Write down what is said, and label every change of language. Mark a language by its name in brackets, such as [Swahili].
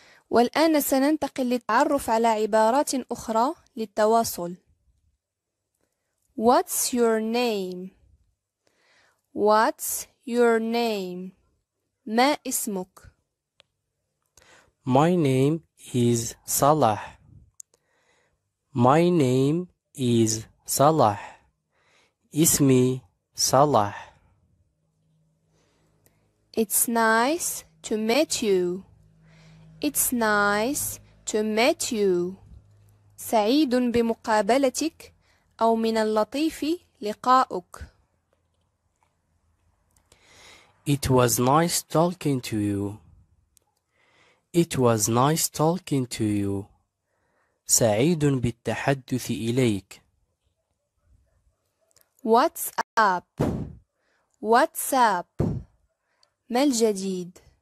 [Arabic] والآن سننتقل للتعرف على عبارات أخرى للتواصل. [English] what's your name, what's your name. [Arabic] ما اسمك؟ [English] my name is Salah. my name is Salah. [Arabic] اسمي صلاح. [English] it's nice to meet you, it's nice to meet you. [Arabic] سعيد بمقابلتك أو من اللطيف لقاؤك. [English] It was nice talking to you. It was nice talking to you. [Arabic] سعيد بالتحدث إليك. [English] What's up? What's up? [Arabic] ما الجديد؟